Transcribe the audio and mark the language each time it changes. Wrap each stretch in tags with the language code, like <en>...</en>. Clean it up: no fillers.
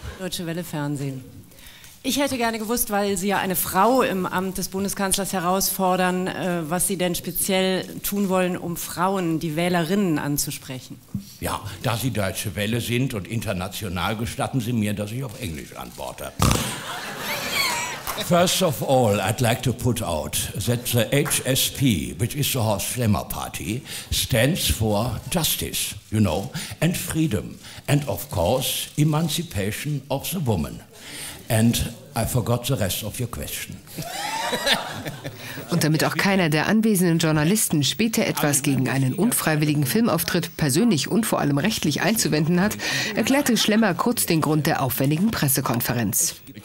<de>Deutsche Welle Fernsehen. Ich hätte gerne gewusst, weil Sie ja eine Frau im Amt des Bundeskanzlers herausfordern, was Sie denn speziell tun wollen, um Frauen, die Wählerinnen, anzusprechen. Ja, da Sie Deutsche Welle sind und international, gestatten Sie mir, dass ich auf Englisch antworte.</de> <en>First of all, I'd like to put out that the HSP, which is the Horst Schlemmer Party, stands for justice, you know, and freedom, and of course, emancipation of the woman. And I forgot the rest of your question.</en> <de>Und damit auch keiner der anwesenden Journalisten später etwas gegen einen unfreiwilligen Filmauftritt persönlich und vor allem rechtlich einzuwenden hat, erklärte Schlemmer kurz den Grund der aufwendigen Pressekonferenz.</de>